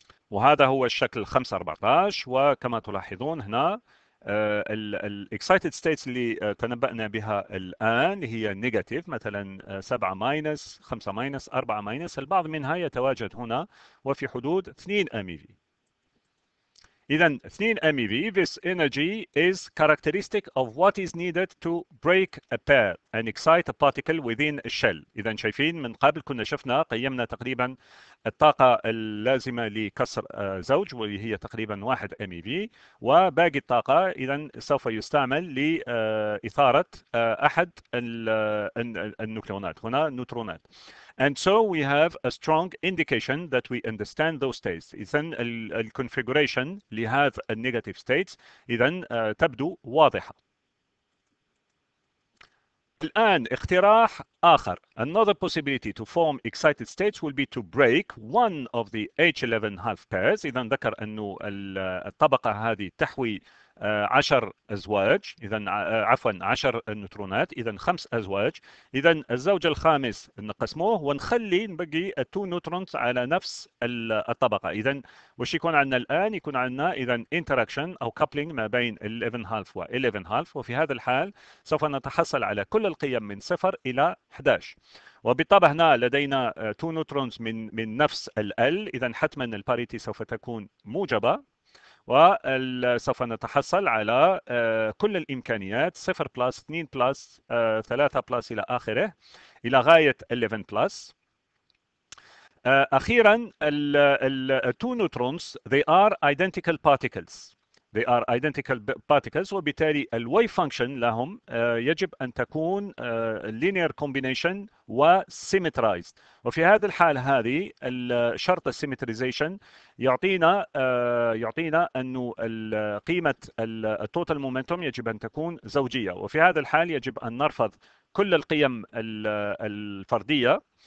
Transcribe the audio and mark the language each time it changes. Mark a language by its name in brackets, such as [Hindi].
[Arabic] وهذا هو الشكل 514، وكما تلاحظون هنا الـ excited states اللي تنبأنا بها الآن هي negative، مثلا 7 minus، 5 minus، 4 minus، البعض منها يتواجد هنا وفي حدود 2 MeV. إذا [English] 2 MeV، this energy is characteristic of what is needed to break a pair and excite a particle within a shell. [Arabic] إذا شايفين من قبل كنا شفنا قيمنا تقريبا الطاقة اللازمة لكسر زوج واللي هي تقريبا 1 MeV، وباقي الطاقة إذا سوف يستعمل لإثارة أحد النوكليونات، هنا النوترونات. [English] And so we have a strong indication that we understand those states. [Arabic] إذن الـ configuration لهذا الـ negative states إذن تبدو واضحة. الآن اقتراح آخر. [English] Another possibility to form excited states will be to break one of the H11 half pairs. [Arabic] إذا ذكر أنه الطبقة هذه تحوي 10 أزواج، إذا عفوا 10 نوترونات، إذا 5 أزواج. إذا الزوج الخامس نقسموه ونخلي نبقي 2 نوترونز على نفس الطبقة. إذا وش يكون عندنا الآن؟ يكون عندنا إذا interaction أو coupling ما بين 11 half و 11 half، وفي هذا الحال سوف نتحصل على كل القيم من 0 إلى 11. وبالطبع هنا لدينا 2 نوترونز من نفس ال L، إذا حتما الباريتي سوف تكون موجبة، وسوف نتحصل على كل الإمكانيات 0 بلس 2 بلس 3 بلس إلى آخره إلى غاية 11 بلس. أخيرا الـ [English] 2 neutrons they are identical particles. They are identical particles، [Arabic] وبالتالي الـ [English] wave function [Arabic] لهم يجب أن تكون [English] linear combination و symmetrized. [Arabic] وفي هذا الحال هذه الشرط السيمتريزيشن يعطينا أنه قيمة التوتال مومنتوم يجب أن تكون زوجية، وفي هذا الحال يجب أن نرفض كل القيم الفردية.